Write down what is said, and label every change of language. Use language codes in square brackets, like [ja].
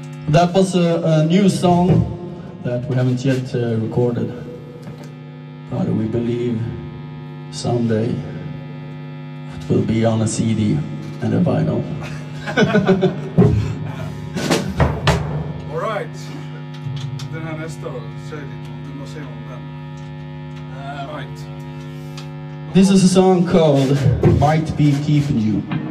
[en] That was a new song that we haven't yet recorded, but we believe someday it will be on a CD and a vinyl. [sv] Alright, den här nästa, du måste se om den. [en] Right. This is a song called Might Be Keeping You.